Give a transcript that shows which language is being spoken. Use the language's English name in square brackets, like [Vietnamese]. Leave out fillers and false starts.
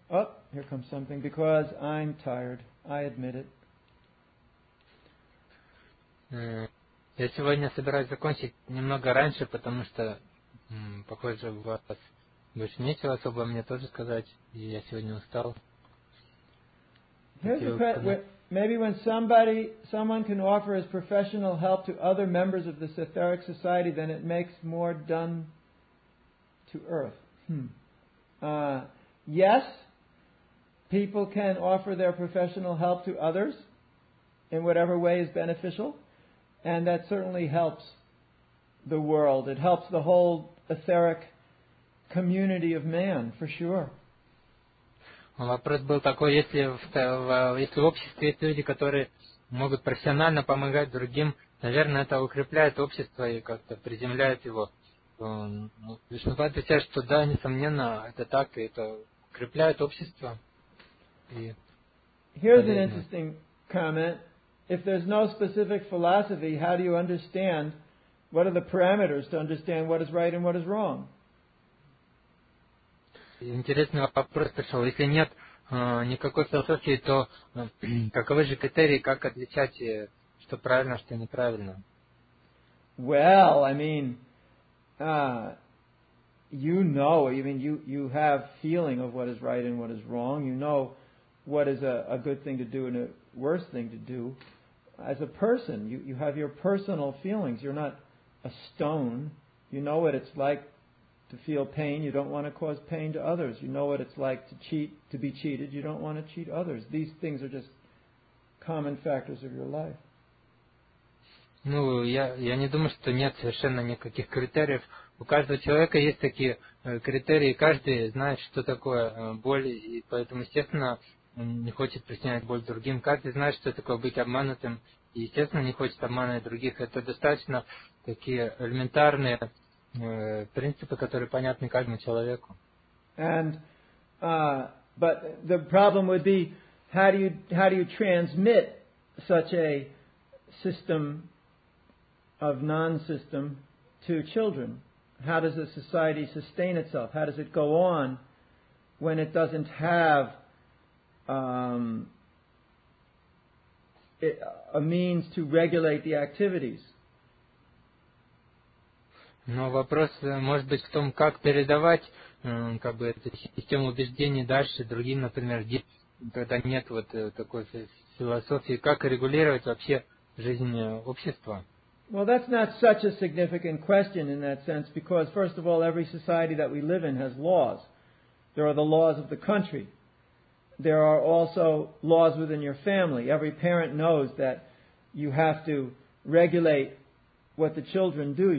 [English] Oh, here comes something, because I'm tired. I admit it. [Russian] Я сегодня собираюсь закончить немного раньше, потому что, похоже, у вас больше нечего особо мне тоже сказать, и я сегодня устал. [English] Maybe when someone can offer his professional help to other members of this etheric society, then it makes more done to earth. Yes, people can offer their professional help to others in whatever way is beneficial, and that certainly helps the world. It helps the whole etheric community of man, for sure. [Russian] Вопрос был такой, если в обществе есть люди, которые могут профессионально помогать другим, Наверное, это укрепляет общество и как-то приземляет его. Вишнупад отвечает, что да, несомненно, это так, и это укрепляет общество. [English] Here's an interesting comment. If there's no specific philosophy, how do you understand, what are the parameters to understand what is right and what is wrong? [Russian] Интересный вопрос пришел. Если нет никакой философии, то каковы же критерии, как отличать, что правильно, что неправильно? [English] Well, I mean, you know, even you have feeling of what is right and what is wrong. You know what is a good thing to do and a worse thing to do. As a person, you have your personal feelings. You're not a stone. You know what it's like to feel pain. You don't want to cause pain to others. You know what it's like to cheat, to be cheated. You don't want to cheat others. These things are just common factors of your life. [Russian] Ну, я не думаю, что нет совершенно никаких критериев. У каждого человека есть такие критерии. Каждый знает, что такое боль, и поэтому, естественно, не хочет причинять боль другим. Каждый знает, что такое быть обманутым, и, естественно, не хочет обманывать других. Это достаточно такие элементарные принципы, которые понятны каждому человеку. [English] And, but the problem would be, how do you transmit such a system of non-system to children? How does a society sustain itself? How does it go on when it doesn't have a means to regulate the activities? [Russian] Но вопрос может быть в том, как передавать как бы эту систему убеждений дальше другим, например, когда нет вот такой философии, как регулировать вообще жизнь общества? [English] Well, that's not such a significant question in that sense, because first of all, every society that we live in has laws. There are the laws of the country. There are also laws within your family. Every parent knows that you have to regulate what the children do.